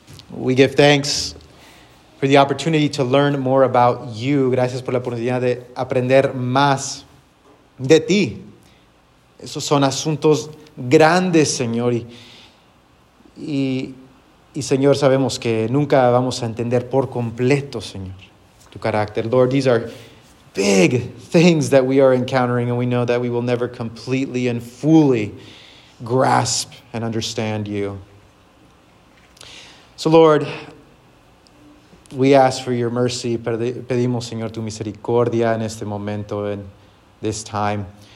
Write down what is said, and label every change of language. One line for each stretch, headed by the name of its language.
English: We give thanks for the opportunity to learn more about you.
Spanish: Gracias por la oportunidad de aprender más de ti. Esos son asuntos grandes, Señor. Y Señor, sabemos que nunca vamos a entender por completo, Señor, tu carácter.
English: Lord, these are big things that we are encountering, and we know that we will never completely and fully grasp and understand you. So, Lord, we ask for your mercy.
Spanish: Pedimos, Señor, tu misericordia en este momento,
English: in this time.